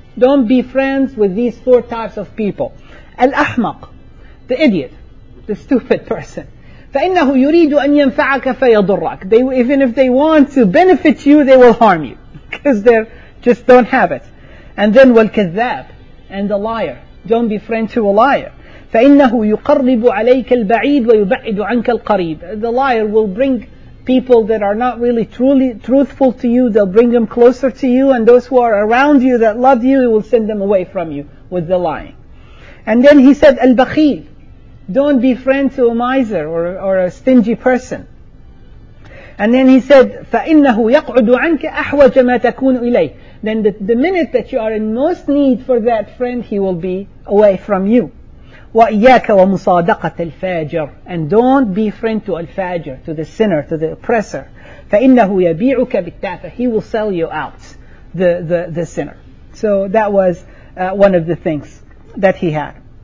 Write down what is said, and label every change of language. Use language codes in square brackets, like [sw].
[en] Don't be friends with these four types of people. الْأَحْمَقُ the idiot, the stupid person. [ar] فَإِنَّهُ يُرِيدُ أَن يَنْفَعَكَ فَيَضُرَّكَ [en] they, even if they want to benefit you, they will harm you. Because they just don't have it. And then وَالْكَذَّابُ and the liar. Don't befriend to a liar. [ar] فإنه يقرب عليك البعيد ويبعد عنك القريب. [en] The liar will bring people that are not really truly truthful to you, they'll bring them closer to you, and those who are around you that love you, he will send them away from you with the lying. And then he said, البخيل, don't be friend to a miser or a stingy person. And then he said, [ar] فإنه يقعد عنك أحوج ما تكون إليه. [en] Then the minute that you are in most need for that friend, he will be away from you. [ar] وَإِيَّاكَ وَمُصَادَقَةَ الْفَاجِرِ. [en] And don't be friend to al-fajr, to the sinner, to the oppressor. [ar] فَإِنَّهُ يَبِيعُكَ بِالتَّافَةِ. [en] He will sell you out, the sinner. So that was one of the things that he had.